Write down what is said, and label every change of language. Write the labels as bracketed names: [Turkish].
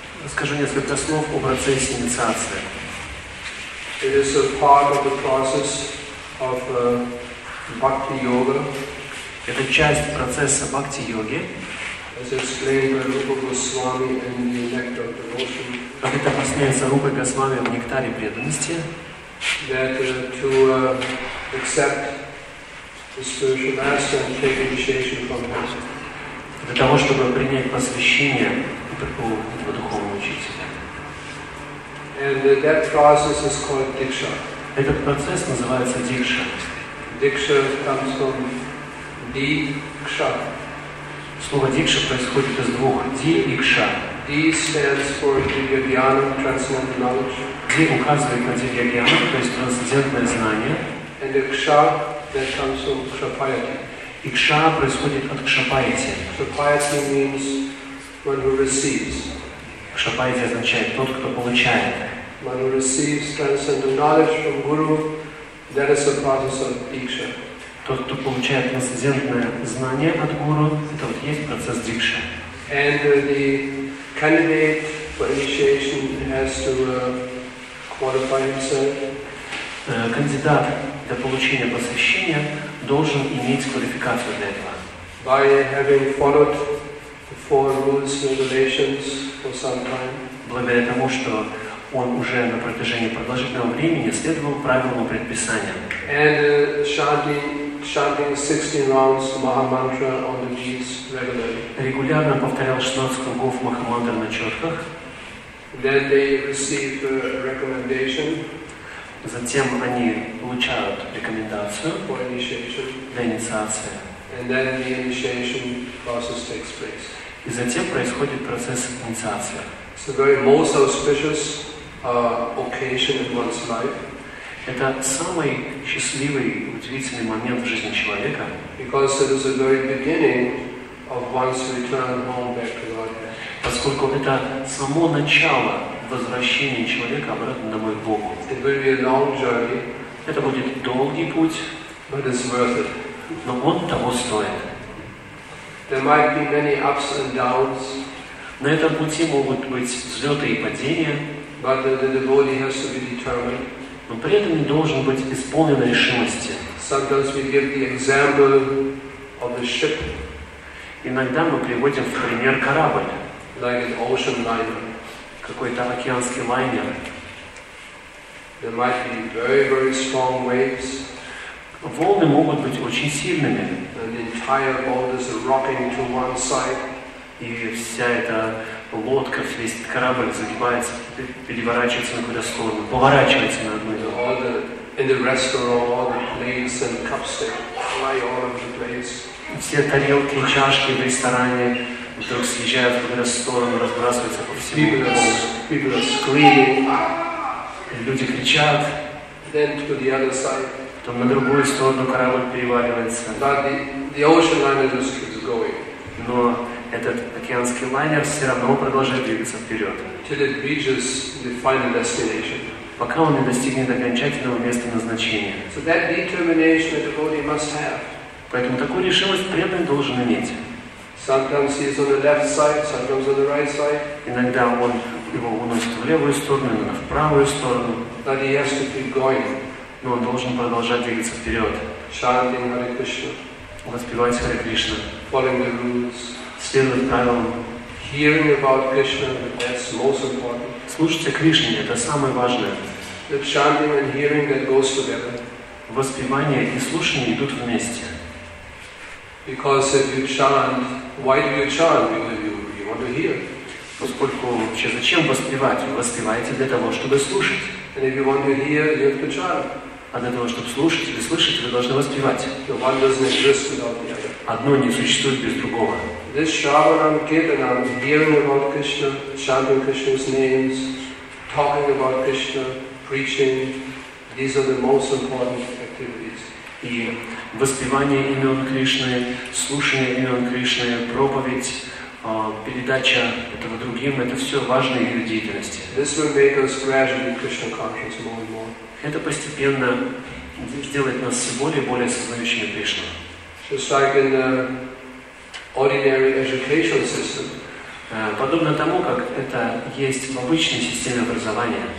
[Russian] Скажи несколько слов о процессе инициации. [English] It is a part of the process of bhakti yoga. [Russian] Это часть процесса бхакти йоги. [English] As explained by Rupa Goswami in the Nectar of Devotion. [Russian] Как это объясняется Рупой Госвами в Нектаре преданности? [English] That to accept the spiritual master and take initiation from him. [Russian] Для того, чтобы принять посвящение у этого духовного учителя. [English] And that process is called diksha. [Russian] Этот процесс называется дикша. [English] Diksha comes from di ksha. [Russian] Слово дикша происходит из двух di и ksha. [English] Di stands for divyajnana, transcendental knowledge. [Russian] Di указывает на divyajnana, то есть трансцендентное знание. [English] And ksha that comes from kshapayati. [Russian] И кша происходит от кшапайти. [English] Кшапайти means one who receives. [Russian] Кшапайти означает тот, кто получает. [English] One who receives transcendental knowledge from guru, that is the process of diksha. [Russian] Тот, кто получает трансцендентное знание от гуру, это вот есть процесс дикши. [English] And the candidate for initiation has to qualify himself. [Russian] Кандидат для получения посвящения должен иметь квалификацию для этого. [English] By having followed the four rules and regulations for some time. [Russian] Благодаря тому, что он уже на протяжении продолжительного времени следовал правилам и предписаниям. [English] And chanting 16 rounds Mahamantra on the knees regularly. [Russian] Регулярно повторял 16 кругов Махамантры на четках. [English] Then they receive a recommendation. [Russian] Затем они получают рекомендацию для инициации. [English] And then the initiation process takes place. [Russian] И затем происходит процесс инициации. [English] It's a very most auspicious occasion in one's life. [Russian] Это самый счастливый, удивительный момент в жизни человека. [English] Because it is the very beginning of one's return home back to Godhead. [Russian] Поскольку это само начало возвращения человека обратно домой к Богу. [English] It will be a long journey. [Russian] Это будет долгий путь, [English] but it's worth it. [Russian] Но он того стоит. [English] There might be many ups and downs. [Russian] На этом пути могут быть взлеты и падения. [English] But the devotee has to be determined. [Russian] Но при этом должен быть исполнен решимости. [English] Sometimes we give the example of the ship. [Russian] Иногда мы приводим в пример корабль. [English] Like an ocean liner. [Russian] Какой-то океанский лайнер. [English] There might be very, very strong waves. [Russian] Волны могут быть очень сильными. [English] And the entire boat is rocking to one side. [Russian] И вся эта лодка, весь этот корабль загибается, переворачивается на какую-то сторону, поворачивается на одну. [English] In the restaurant, all the plates and cups, they fly all over the place. [Russian] Все тарелки, чашки в ресторане вдруг съезжают в какую-то сторону, разбрасываются по всему полу. [English] People are screaming. [Russian] Люди кричат. [English] Then to the other side. [Russian] Потом на другую сторону корабль переваливается. [English] But the ocean liner just keeps going. [Russian] Но этот океанский лайнер все равно продолжает двигаться вперед. [English] Till it reaches the final destination. [Russian] Пока он не достигнет окончательного места назначения. [English] So that determination the devotee must have. [Russian] Поэтому такую решимость преданный должен иметь. [English] Sometimes he is on the left side, sometimes on the right side. [Russian] Иногда он его уносит в левую сторону, иногда в правую сторону. [English] But he has to keep going. [Russian] Но он должен продолжать двигаться вперед. [English] Chanting Hare Krishna. [Russian] Воспевать Харе Кришна. [English] Following the rules. [Russian] Следовать правилам. [English] Hearing about Krishna, that's most important. [Russian] Слушать о Кришне, это самое важное. [English] The chanting and hearing that goes together. [Russian] Воспевание и слушание идут вместе. [English] Because if you chant, why do you chant? You want to hear. [Russian] Поскольку вообще зачем воспевать? Вы воспеваете для того, чтобы слушать. [English] And if you want to hear, you have to chant. [Russian] А для того, чтобы слушать или слышать, вы должны воспевать. [English] So one doesn't exist without the other. [Russian] Одно не существует без другого. [English] This Shravanam, Kirtanam, hearing about Krishna, chanting Krishna's names, talking about Krishna, preaching, these are the most important activities. [Russian] И воспевание имен Кришны, слушание имен Кришны, проповедь, передача этого другим, это все важные виды деятельности. [English] This will make us gradually Krishna conscious more and more. [Russian] Это постепенно сделает нас все более и более сознающими Кришну. [English] Just like in the ordinary education system. [Russian] Подобно тому, как это есть в обычной системе образования.